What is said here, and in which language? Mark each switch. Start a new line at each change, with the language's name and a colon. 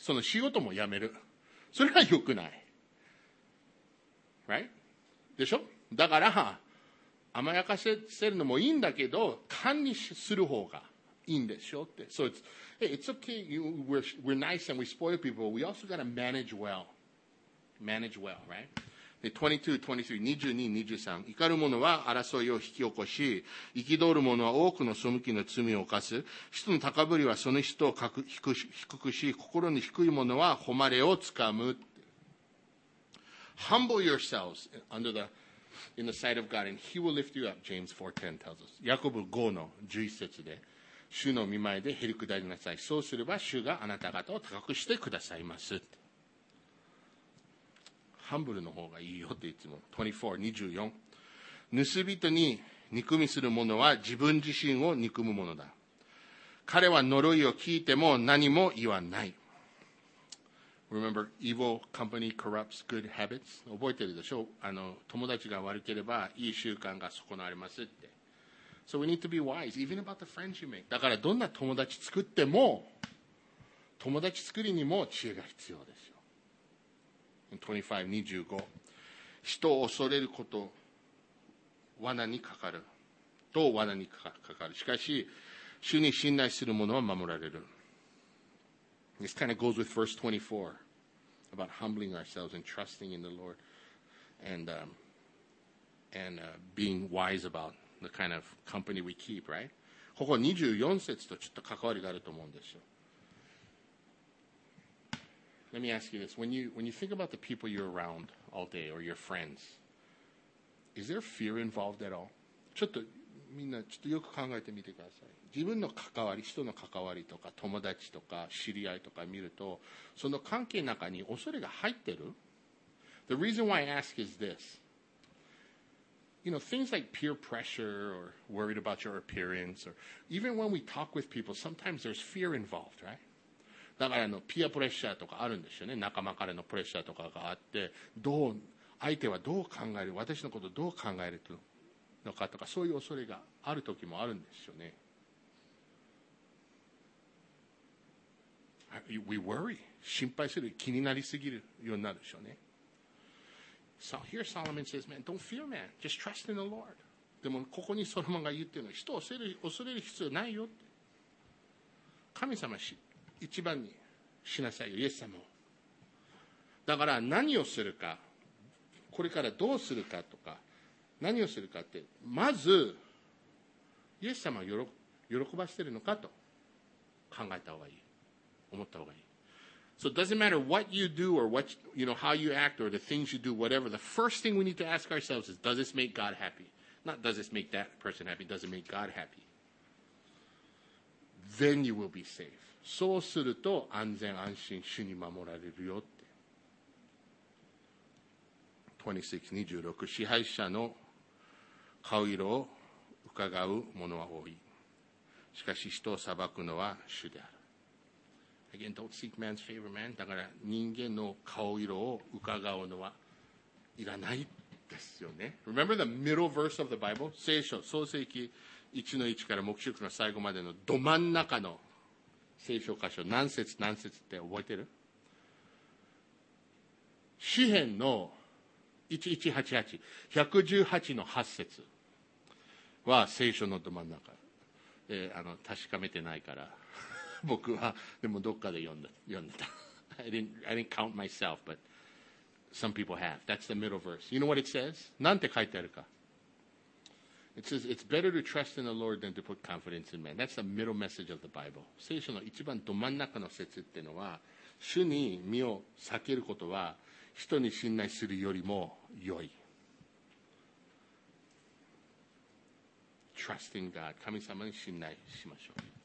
Japanese: その仕事も辞める、それはよくない、right? でしょ。だから甘やかせるのもいいんだけど管理する方がいいんでしょって。
English: So it's okay, we're nice and we spoil people, we also gotta manage well, right?
Japanese: で22, 23, 22, 23, 怒る者は争いを引き起こし、憤る者は多くの背きの罪を犯す。人の高ぶりはその人を低くし、心に低い者は誉れをつかむ。
English: Humble yourselves in the sight of God and he will lift you up, James 4:10 tells us.
Japanese: ヤコブ5の11節で、主の御前でへりくだりなさい。そうすれば主があなた方を高くしてくださいます。ハンブルの方がいいよっていつも。 24、24。盗人に憎みする者は自分自身を憎む者だ。彼は呪いを聞いても何も言わない。
English: Remember, evil company corrupts good habits.
Japanese: 覚えてるでしょう。友達が悪ければいい習慣が損なわれますって。
English: So we need to be wise, even about the friends you make.
Japanese: だからどんな友達作っても、友達作りにも知恵が必要ですよ。 25、25。人を恐れること、罠にかかる。と罠にかかる。しかし、主に信頼する者は守られる。
English: This kind of goes with verse 24, about humbling ourselves and trusting in the Lord and being wise about the kind of company we keep, right?
Japanese: ここ24節とちょっと関わりがあると思うんですよ。
English: Let me ask you this. When you think about the people you're around all day or your friends, is there fear involved at all?
Japanese: ちょっとみんなちょっとよく考えてみてください。自分の関わり、人の関わりとか友達とか知り合いとか見ると、その関係の中に恐れが入ってる。
English: The reason why I ask is this. You know, things like peer pressure or worried about your appearance or even when we talk with people, sometimes there's fear involved, right?
Japanese: だからピアプレッシャーとかあるんですよね。仲間からのプレッシャーとかがあって、どう相手はどう考える、私のことをどう考えるのかとか、そういう恐れがある時もあるんですよね。
English: We worry.
Japanese: 心配する、気になりすぎるようになるでしょうね。
English: So here Solomon says, man, don't fear, man. Just trust in the Lord.
Japanese: でもここにソロモンが言ってるのは、人を恐れる必要ないよって。神様し一番にしなさいよ、イエス様を。だから何をするか、これからどうするかとか、何をするかって、まず、イエス様を喜ばせてるのかと考えた方がいい。思った方がいい。
English: So it doesn't matter what you do or what, you know, how you act or the things you do, whatever, the first thing we need to ask ourselves is, does this make God happy? Not does this make that person happy, does it make God happy? Then you will be safe.
Japanese: そうすると安全安心主に守られるよって。 26、26、支配者の顔色を伺う者は多い。しかし人を裁くのは主である。
English: Again, don't seek man's favor, man.
Japanese: だから人間の顔色を伺うのはいらないですよね。
English: Remember the middle verse of the Bible?
Japanese: 聖書、創世記1の1から黙示録の最後までのど真ん中の聖書箇所、何節何節って覚えてる？詩編の118の8節は聖書のど真ん中、確かめてないから僕はでもどっかで読んでた。
English: I didn't count myself, but some people have. That's the middle verse. You know what it says?
Japanese: なんて書いてあるか。
English: It says, it's better to trust in the Lord than to put confidence in man. That's the middle message of the Bible.
Japanese: 聖書の一番ど真ん中の説っていうのは、主に身を避けることは人に信頼するよりも良い。
English: Trust in God.
Japanese: 神様に信頼しましょう。